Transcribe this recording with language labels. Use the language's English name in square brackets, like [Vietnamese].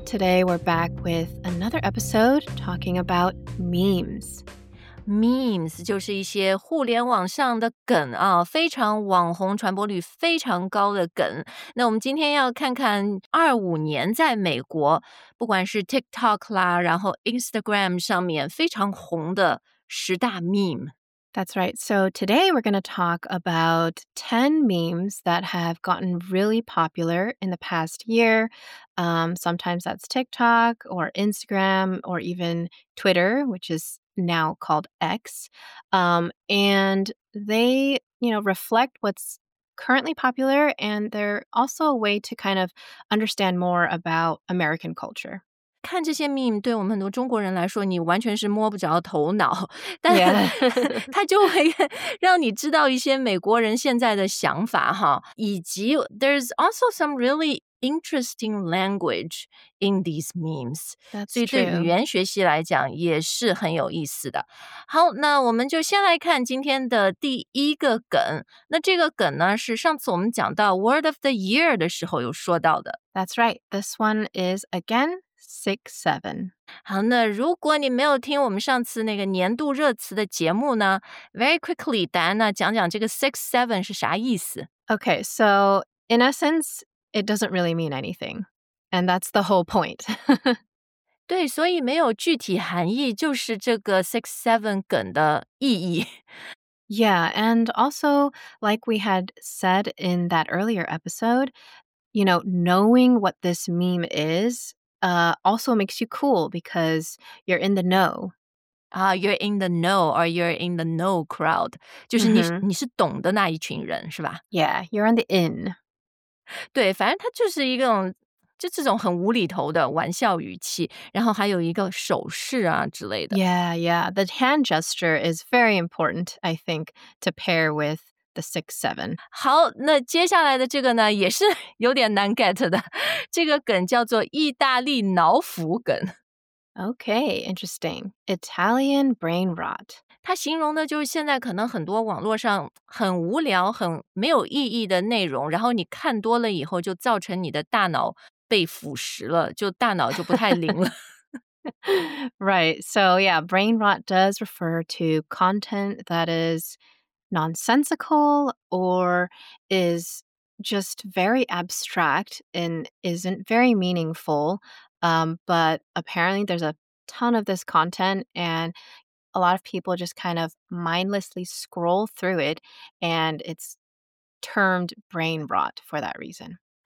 [English] Today we're back with another episode talking about memes. [Chinese] Memes 就是一些互联网上的梗啊，非常网红传播率非常高的梗。那我们今天要看看2025年在美国，不管是 TikTok 啦，然后 Instagram 上面非常红的十大 meme。 [English] That's right. So today we're going to talk about 10 memes that have gotten really popular in the past year. Sometimes that's TikTok or Instagram or even Twitter, which is now called X. And they, you know, reflect what's currently popular, and they're also a way to kind of understand more about American culture. [Chinese] 看这些 meme 对我们很多中国人来说，你完全是摸不着头脑，但它就会让你知道一些美国人现在的想法哈，以及 [English] there's also some really interesting language in these memes. That's [Chinese] 所以对语言学习来讲也是很有意思的。好，那我们就先来看今天的第一个梗。那这个梗呢，是上次我们讲到 word of the year 的时候有说到的。 [English] That's right. This one is again. 6, 7. [Chinese] 好，那如果你没有听我们上次那个年度热词的节目呢 ， [English] very quickly, Diana, [Chinese] 讲讲这个 6, 7是啥意思 [English] ？Okay, so in essence, it doesn't really mean anything, and that's the whole point. [Chinese] 对，所以没有具体含义，就是这个 6, 7梗的意义。 [English] Yeah, and also, like we had said in that earlier episode, you know, knowing what this meme is. Also makes you cool because you're in the know. You're in the know or you're in the know crowd. [Chinese] 就是你、mm-hmm. 你是懂的那一群人是吧 [English] ？Yeah, you're on the in. [Chinese] 对，反正它就是一个就这种很无厘头的玩笑语气，然后还有一个手势啊之类的。 [English] Yeah, yeah. The hand gesture is very important, I think, to pair with. The 6, 7. [Chinese] 好，那接下来的这个呢，也是有点难 get 的。这个梗叫做意大利脑腐梗。 [English] Okay, interesting. Italian brain rot. [Chinese] 它形容的就是现在可能很多网络上很无聊、很没有意义的内容，然后你看多了以后，就造成你的大脑被腐蚀了，就大脑就不太灵了。 [English] Right. So yeah, brain rot does refer to content that is. Nonsensical or is just very abstract and isn't very meaningful. But apparently there's a ton of this content and a lot of people just kind of mindlessly scroll through it and it's termed brain rot for that reason.